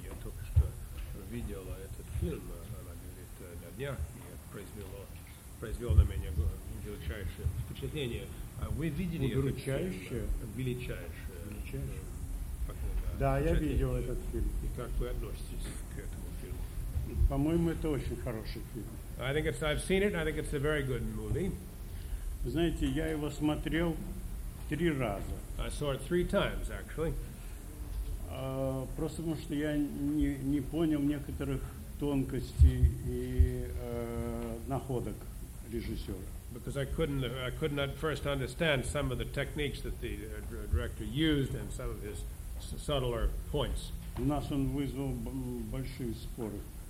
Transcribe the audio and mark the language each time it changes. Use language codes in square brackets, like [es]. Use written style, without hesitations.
[ru] Я только что видел этот фильм, она говорит, на днях, и это произвело на меня величайшее впечатление. А вы видели это? Величайшее? Величайшее. Да, я видел этот фильм. И как вы относитесь к этому фильму? По-моему, это очень хороший фильм. [en] I think it's. I've seen it. I think it's a very good movie. [ru] Знаете, я его смотрел три раза. [en] I saw it three times, actually. [ru] Просто потому что я не понял некоторых тонкостей и находок режиссера. [en] Because I could not first understand some of the techniques that the director used and some of his subtler points. [ru] У нас он вызвал большие споры.